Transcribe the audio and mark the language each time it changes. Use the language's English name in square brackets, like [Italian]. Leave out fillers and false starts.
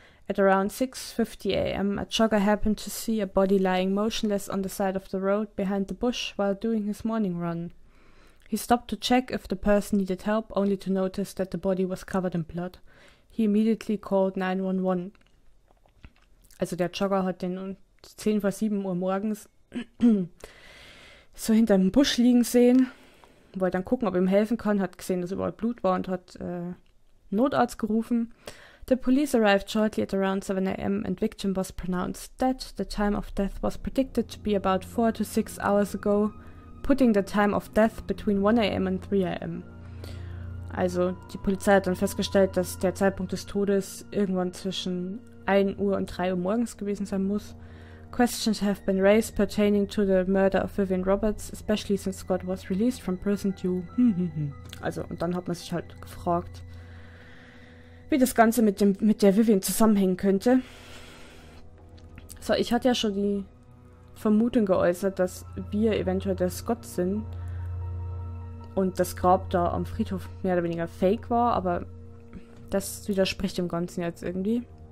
[English] At around 6:50 a.m., a jogger happened to see a body lying motionless on the side of the road behind the bush while doing his morning run. He stopped to check if the person needed help, only to notice that the body was covered in blood. He immediately called 911. [German] Also der Jogger hat den um 10 vor 7 Uhr morgens so hinter einem Busch liegen sehen, wollte dann gucken, ob er ihm helfen kann, hat gesehen, dass überall Blut war und hat Notarzt gerufen. [English] The police arrived shortly at around 7 a.m. and victim was pronounced dead. The time of death was predicted to be about 4 to 6 hours ago, putting the time of death between 1 a.m. and 3 a.m. [German] Also die Polizei hat dann festgestellt, dass der Zeitpunkt des Todes irgendwann zwischen 1 Uhr und 3 Uhr morgens gewesen sein muss. [English] Questions have been raised pertaining to the murder of Vivian Roberts, especially since Scott was released from prison due. [German] Also, und dann hat man sich halt gefragt, wie das Ganze mit der Vivian zusammenhängen könnte. So, ich hatte ja schon die Vermutung geäußert, dass wir eventuell der Scott sind und das Grab da am Friedhof mehr oder weniger fake war, aber das widerspricht dem Ganzen jetzt irgendwie.